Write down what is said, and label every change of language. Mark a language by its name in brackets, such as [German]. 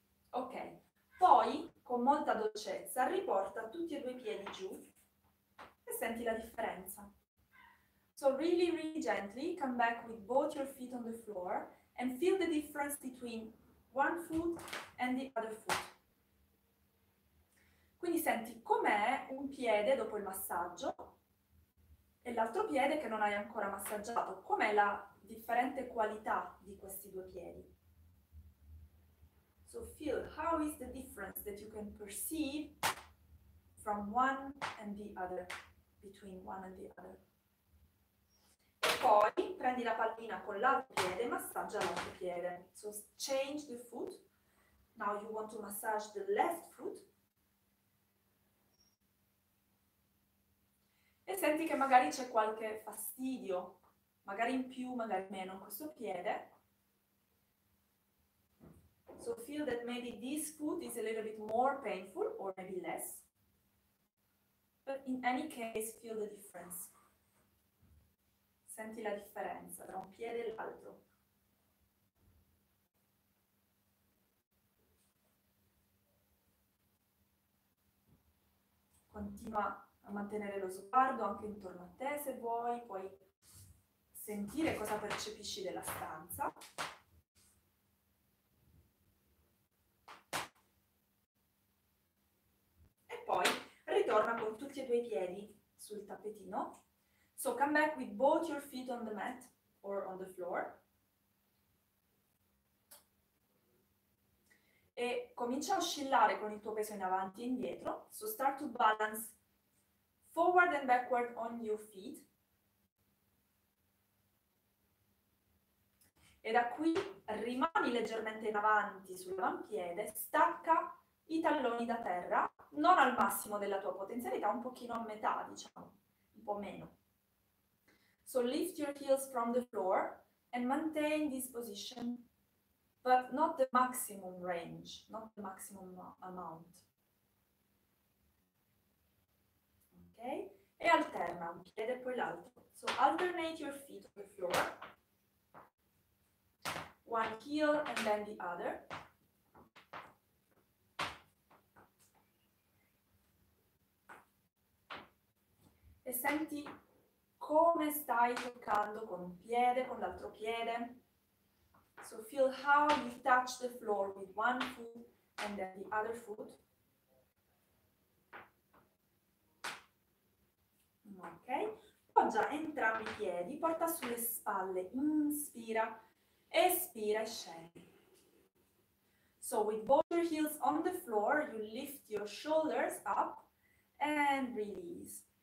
[Italian] Ok, poi con molta dolcezza riporta tutti e due i piedi giù e senti la differenza. [English] So really, really gently come back with both your feet on the floor and feel the difference between one foot and the other foot. [Italian] Quindi senti com'è un piede dopo il massaggio e l'altro piede che non hai ancora massaggiato, com'è la differente qualità di questi due piedi. [English] So feel how is the difference that you can perceive from one and the other, between one and the other. [Italian] E poi prendi la pallina con l'altro piede e massaggia l'altro piede. [English] So change the foot. Now you want to massage the left foot. [Italian] E senti che magari c'è qualche fastidio, magari in più, magari meno, in questo piede. [English] So feel that maybe this foot is a little bit more painful or maybe less. But in any case, feel the difference. [Italian] Senti la differenza tra un piede e l'altro. Continua a mantenere lo sguardo anche intorno a te se vuoi, puoi sentire cosa percepisci della stanza. Ritorna con tutti e due i piedi sul tappetino. [English] So come back with both your feet on the mat or on the floor. [Italian] E comincia a oscillare con il tuo peso in avanti e indietro. [English] So start to balance forward and backward on your feet. [Italian] E da qui rimani leggermente in avanti sull'avampiede, stacca i talloni da terra, non al massimo della tua potenzialità, un pochino a metà, diciamo, un po' meno. [English] So lift your heels from the floor and maintain this position, but not the maximum range, not the maximum amount. [Italian] Ok? E alterna un piede e poi l'altro. [English] So alternate your feet on the floor. One heel and then the other. [Italian] E senti come stai toccando con un piede, con l'altro piede? [English] So feel how you touch the floor with one foot and then the other foot. [Italian] Ok, poggia entrambi i piedi, porta sulle spalle, inspira, espira e scendi. [English] So with both your heels on the floor, you lift your shoulders up and release.